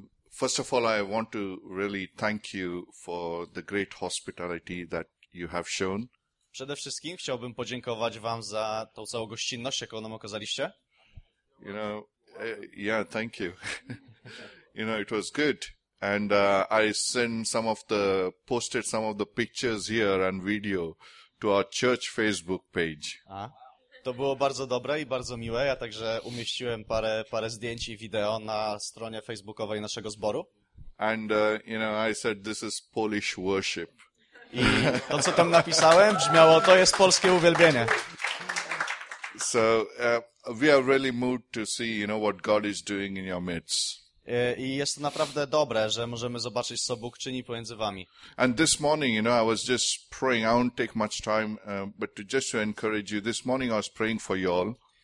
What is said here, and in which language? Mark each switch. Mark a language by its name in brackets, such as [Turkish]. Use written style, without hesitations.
[English] First of all, I want to really thank you for the great hospitality that you have shown. [Polish] Przede wszystkim chciałbym podziękować wam za tą całą gościnność, jaką nam okazaliście. [English] You know, yeah, thank you. You know, it was good. And I sent some of the, posted some of the pictures here and video to our church Facebook page. [Polish] A, to było bardzo dobre i bardzo miłe. Ja także umieściłem parę zdjęć i wideo na stronie facebookowej naszego zboru. [English] And, you know, I said, this is Polish worship. [Polish] I to, co tam napisałem, brzmiało, to jest polskie uwielbienie. [English] So, we are really moved to see, you know, what God is doing in your midst. [Polish] I jest to naprawdę dobre, że możemy zobaczyć, co Bóg czyni pomiędzy wami. [English] And this morning, you know, I was just praying. I won't take much time, but to just to encourage you, this morning I was praying for you all.